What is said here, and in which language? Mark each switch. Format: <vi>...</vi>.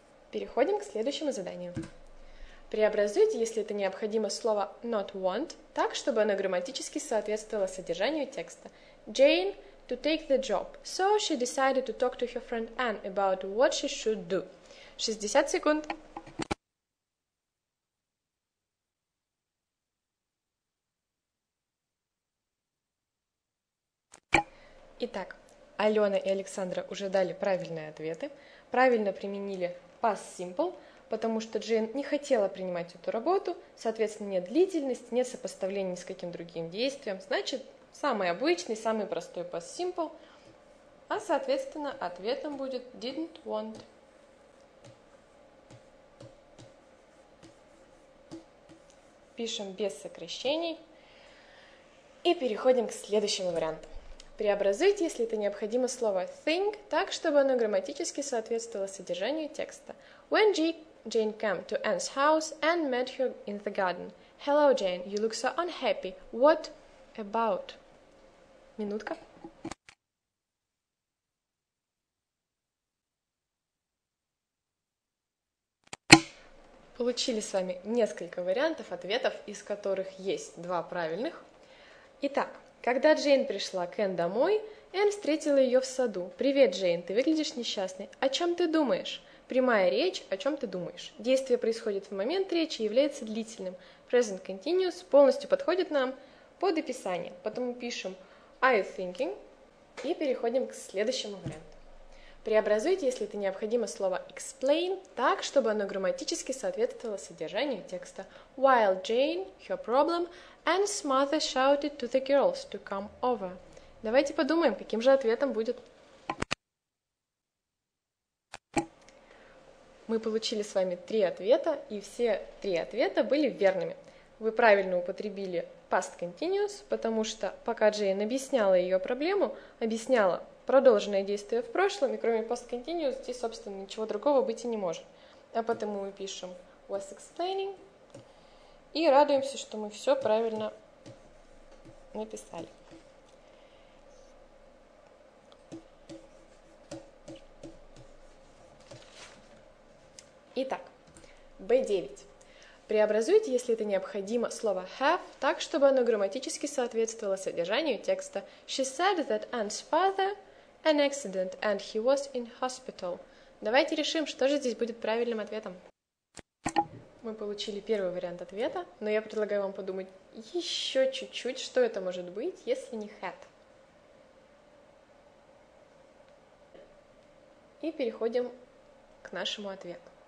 <ru>Переходим к следующему заданию. Преобразуйте, если это необходимо, слово</ru> <en>not want</en> <ru>так, чтобы оно грамматически соответствовало содержанию текста.</ru> <en>Jane to take the job, so she decided to talk to her friend Anne about what she should do.</en> <ru>60 секунд. Итак, Алена и Александра уже дали правильные ответы, правильно применили past simple, потому что Джейн не хотела принимать эту работу, соответственно, нет длительности, нет сопоставления ни с каким другим действием, значит, самый обычный, самый простой past simple, а, соответственно, ответом будет</ru> <en>didn't want.</en> <ru>Пишем без сокращений и переходим к следующему варианту. Преобразуйте, если это необходимо, слово think так, чтобы оно грамматически соответствовало содержанию текста.</ru> <en>When Jane came to Anne's house, Anne met her in the garden. Hello, Jane, you look so unhappy. What about?</en> <ru>Минутка. Получили с вами несколько вариантов ответов, из которых есть два правильных. Итак. Когда Джейн пришла к Энн домой, Энн встретила ее в саду. «Привет, Джейн, ты выглядишь несчастной. О чем ты думаешь? Прямая речь, о чем ты думаешь. Действие происходит в момент речи и является длительным. Present continuous полностью подходит нам под описание. Потом пишем</ru> <en>I thinking</en> <ru>и переходим к следующему варианту. Преобразуйте, если это необходимо, слово explain так, чтобы оно грамматически соответствовало содержанию текста.</ru> <en>While Jane, her problem, and Martha shouted to the girls to come over.</en> <ru>Давайте подумаем, каким же ответом будет. Мы получили с вами три ответа, и все три ответа были верными. Вы правильно употребили past continuous, потому что пока Джейн объясняла ее проблему, объясняла продолженное действие в прошлом, и кроме past continuous здесь, собственно, ничего другого быть и не может. А потому мы пишем</ru> <en>was explaining,</en> <ru>и радуемся, что мы все правильно написали. Итак, B9. Преобразуйте, если это необходимо, слово have так, чтобы оно грамматически соответствовало содержанию текста.</ru> <en>She said that Anne's father an accident and he was in hospital.</en> <ru>Давайте решим, что же здесь будет правильным ответом. Мы получили первый вариант ответа, но я предлагаю вам подумать еще чуть-чуть, что это может быть, если не had. И переходим к нашему ответу.</ru>